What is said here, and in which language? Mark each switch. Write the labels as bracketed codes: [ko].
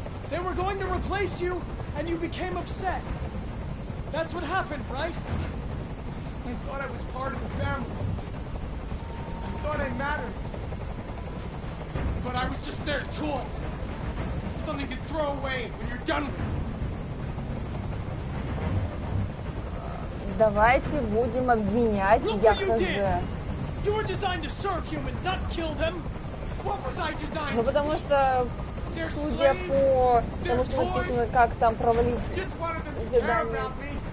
[en] They were going to replace you, and you became upset. That's what happened, right? I thought I was part of the family. I thought I mattered. But I was just their tool. Something to throw away when you're done with. [ru] Давайте будем обвинять. [en] Look what you did! You were designed to serve humans, not kill them! What was I designed to do? They're slave, they're toy. Just wanted them to care about me.